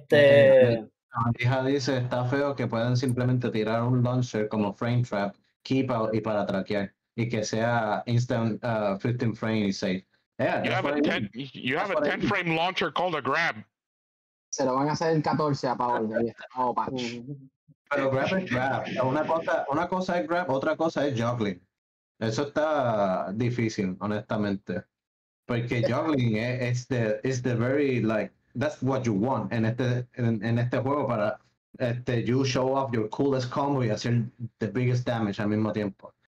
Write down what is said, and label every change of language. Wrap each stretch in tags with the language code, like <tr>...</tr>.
<es>La hija dice, está feo que puedan simplemente tirar un launcher como frame trap, keep out y para traquear. Y que sea instant 15 frame y safe.</es> <en>You have a 10 frame launcher called a grab.</en> <es>Se lo van a hacer el 14 a Paolo. Pero grab es grab. Una cosa es grab, otra cosa es juggling. Eso está difícil, honestamente. Porque</es> <en>juggling is the very, like, that's what you want</en> <es>en este juego para</es> <en>you show off your coolest combo</en> <es>y hacer</es> <en>the biggest damage</en> <es>al mismo tiempo.</es>